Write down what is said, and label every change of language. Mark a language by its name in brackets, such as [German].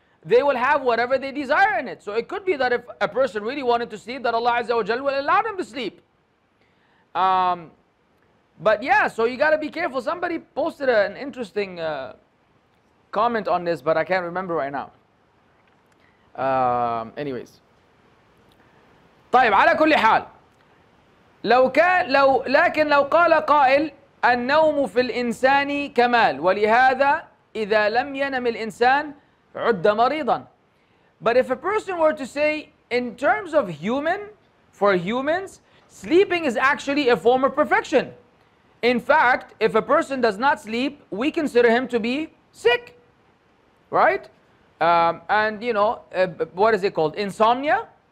[English] They will have whatever they desire in it. So it could be that if a person really wanted to sleep, that Allah Azza wa Jal will allow them to sleep. But yeah, so you got to be careful. Somebody posted an interesting comment on this, but I can't remember right now. Anyways. [Arabic] طيب على كل حال لو كان لو لكن لو قال قائل النوم في الإنسان كمال ولهذا إذا لم ينم الإنسان عد مريضا. [English] But if a person were to say in terms of human, for humans, sleeping is actually a form of perfection. In fact, if a person does not sleep, we consider him to be sick, right? And you know, what is it called? Insomnia.